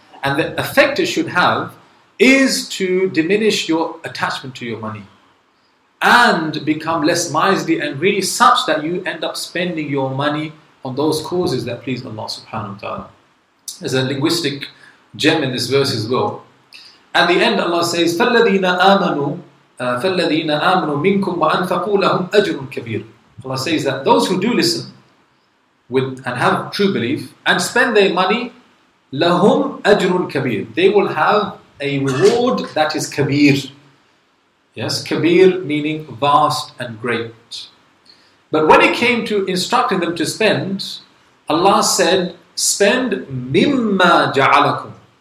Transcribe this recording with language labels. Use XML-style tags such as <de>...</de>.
<en>And the effect it should have is to diminish your attachment to your money and become less miserly and really such that you end up spending your money on those causes that please Allah subhanahu wa ta'ala. There's a linguistic gem in this verse as well. At the end Allah says,</en> <ar>فَالَّذِينَ آمَنُوا مِنْكُمْ وَأَنْفَقُوا لَهُمْ أَجْرٌ كَبِيرٌ.</ar> <en>Allah says that those who do listen with and have true belief and spend their money,</en> <ar>لَهُمْ أَجْرٌ كَبِيرٌ,</ar> <en>they will have a reward that is kabir. Yes, kabir meaning vast and great. But when it came to instructing them to spend, Allah said, spend mimma ja'alakum.</en>